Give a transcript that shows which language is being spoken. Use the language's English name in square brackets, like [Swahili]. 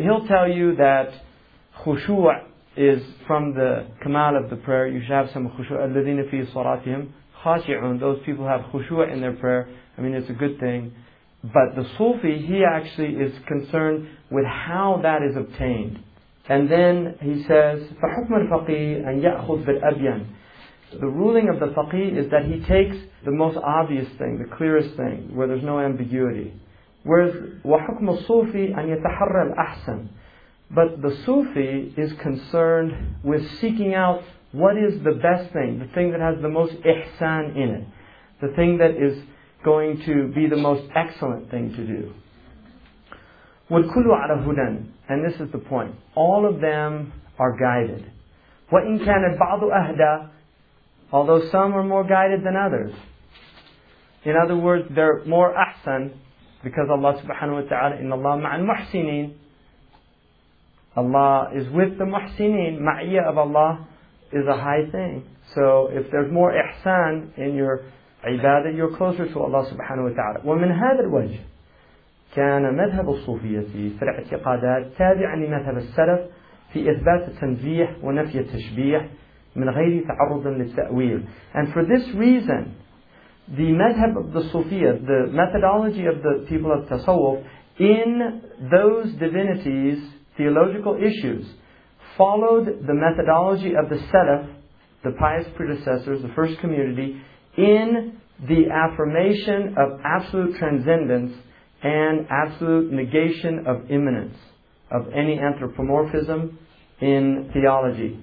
[English] He'll tell you that khushu' is from the kamal of the prayer. You should have some khushu' [Arabic] alladhina fi salatihim. [English] Those people have khushu' in their prayer. I mean, it's a good thing. But the Sufi, he actually is concerned with how that is obtained. And then he says, [Arabic] فَحُكْمَ الْفَقِيهِ أَنْ يَأْخُذْ بِالْأَبْيَنِ. [English] The ruling of the faqih is that he takes the most obvious thing, the clearest thing, where there's no ambiguity. Whereas, [Arabic] وَحُكْمَ الصُّوفِي أَنْ يَتَحَرَّ الْأَحْسَنِ. [English] But the Sufi is concerned with seeking out what is the best thing, the thing that has the most ihsan in it, the thing that is going to be the most excellent thing to do. [Arabic] وَالْكُلُّ عَلَى هُدًى. [English] And this is the point. All of them are guided. [Arabic] وَإِنْ كَانَ بَعْضُ أَهْدَى [English] Although some are more guided than others. In other words, they're more ahsan because Allah subhanahu wa ta'ala [Arabic] إِنَّ اللَّهَ مَعَ الْمُحْسِنِينَ [English] Allah is with the muhsineen. Ma'iyya of Allah is a high thing. So if there's more ihsan in your ibadah, you're closer to Allah subhanahu wa ta'ala. [Arabic] وَمِنْ هَذَا الْوَجْهِ كان مذهب الصوفية في الاعتقادات تابعا لمذهب السلف في إثبات التنزيه ونفي التشبيه من غير تعرض للتأويل. [English] And for this reason, the madhab of the Sufiya, the methodology of the people of Tasawwuf, in those divinities, theological issues, followed the methodology of the Salaf, the pious predecessors, the first community, in the affirmation of absolute transcendence and absolute negation of immanence, of any anthropomorphism in theology.